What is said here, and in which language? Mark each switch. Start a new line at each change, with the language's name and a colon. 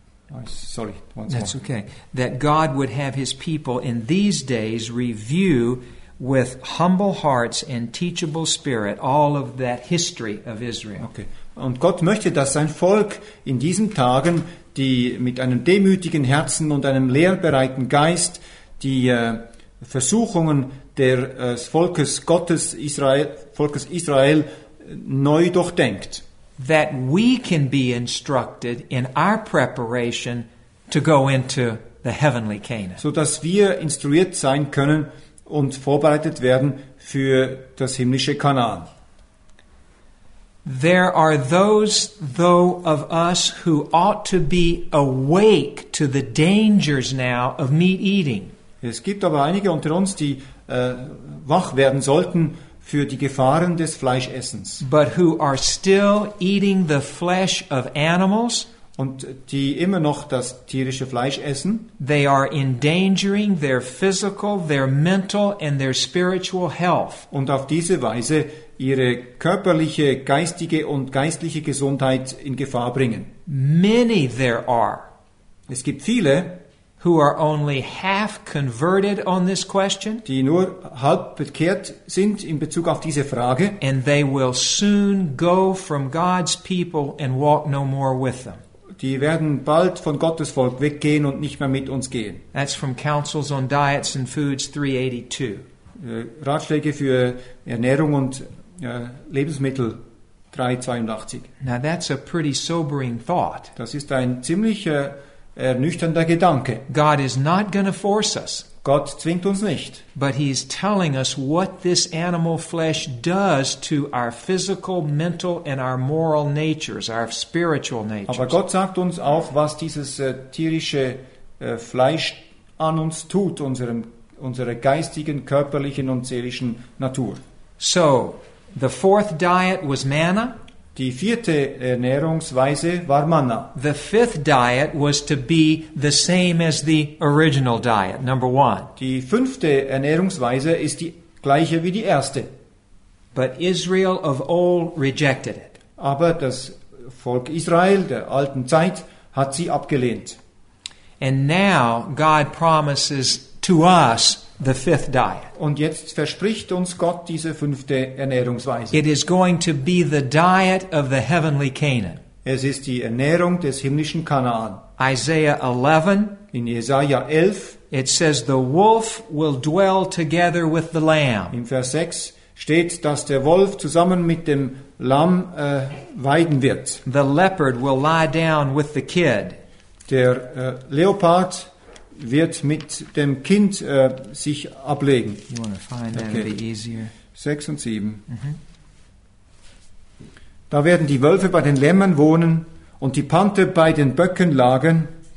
English: that God would have his people in these days review with humble hearts and teachable spirit all of that history of Israel. Okay.
German: Und Gott möchte, dass sein Volk in diesen Tagen die mit einem demütigen Herzen und einem lehrbereiten Geist die Versuchungen des Volkes Gottes Israel, Volkes Israel neu durchdenkt.
English: That we can be instructed in our preparation to go into the heavenly Canaan.
German: So dass wir instruiert sein können und vorbereitet werden für das himmlische Kanaan.
English: There are those, though, of us who ought to be awake to the dangers now of meat eating.
German: Es gibt aber einige unter uns, die wach werden sollten für die Gefahren des Fleischessens.
English: But who are still eating the flesh of animals.
German: Und die immer noch das tierische Fleisch essen.
English: They are endangering their physical, their mental and their spiritual health.
German: Und auf diese Weise ihre körperliche, geistige und geistliche Gesundheit in Gefahr bringen.
English: Many there are.
German: Es gibt viele,
English: who are only half converted on this question,
German: die nur halb bekehrt sind in Bezug auf diese Frage,
English: and they will soon go from God's people and walk no more with them.
German: Die werden bald von Gottes Volk weggehen und nicht mehr mit uns gehen.
English: That's from Councils on Diets and Foods 382.
German: Ratschläge für Ernährung und Lebensmittel 382.
English: Now that's a pretty sobering thought.
German: Das ist ein ziemlich ernüchternder Gedanke.
English: God is not going to force us.
German: Gott zwingt uns nicht.
English: But he is telling us what this animal flesh does to our physical, mental and our moral natures, our spiritual natures.
German: Aber Gott sagt uns auch, was dieses tierische Fleisch an uns tut, unserer geistigen, körperlichen und seelischen Natur.
English: So, the fourth diet was manna.
German: Die vierte Ernährungsweise war Manna.
English: The fifth diet was to be the same as the original diet, number one.
German: Die fünfte Ernährungsweise ist die gleiche wie die erste.
English: But Israel of old rejected it.
German: Aber das Volk Israel der alten Zeit hat sie abgelehnt.
English: And now God promises to us the fifth diet.
German: Und jetzt verspricht uns Gott diese fünfte Ernährungsweise.
English: It is going to be the diet of the heavenly Canaan.
German: Es ist die Ernährung des himmlischen Kanaan.
English: Isaiah 11.
German: In Jesaja 11.
English: It says the wolf will dwell together with the lamb.
German: Im Vers 6 steht, dass der Wolf zusammen mit dem Lamm weiden wird.
English: The leopard will lie down with the kid.
German: Der Leopard wird mit dem Kind sich ablegen.
English: You want to find that, okay. It'll be easier.
German: 6 und 7. Da werden die Wölfe bei den Lämmern wohnen und die Panther bei den Böcken lagen.